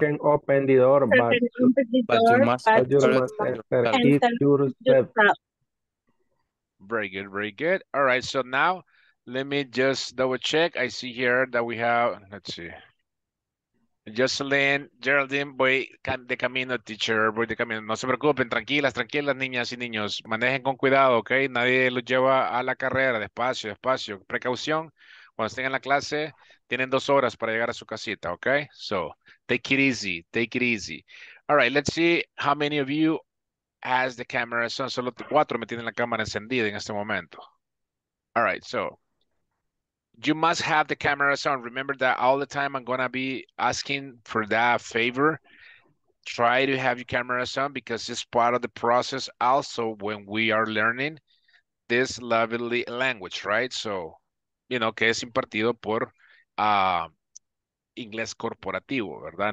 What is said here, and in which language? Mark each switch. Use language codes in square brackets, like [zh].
[en] Teachers can open the door, but you must enter it yourself. Very good, very good. All right, so now let me just double check. I see here that we have, let's see. [es] Jocelyn, Geraldine, voy de camino, teacher, voy de camino. No se preocupen, tranquilas, tranquilas, niñas y niños. Manejen con cuidado, ¿ok? Nadie los lleva a la carrera, despacio, despacio. Precaución, cuando estén en la clase, tienen 2 horas para llegar a su casita, ¿ok? [en] So, take it easy, take it easy. All right, let's see how many of you has the camera. [es] Son solo 4 me tienen la cámara encendida en este momento. [en] All right, so. You must have the cameras on. Remember that all the time I'm going to be asking for that favor. Try to have your cameras on because it's part of the process also when we are learning this lovely language, right? So, you know, [es] que es impartido por inglés corporativo, ¿verdad?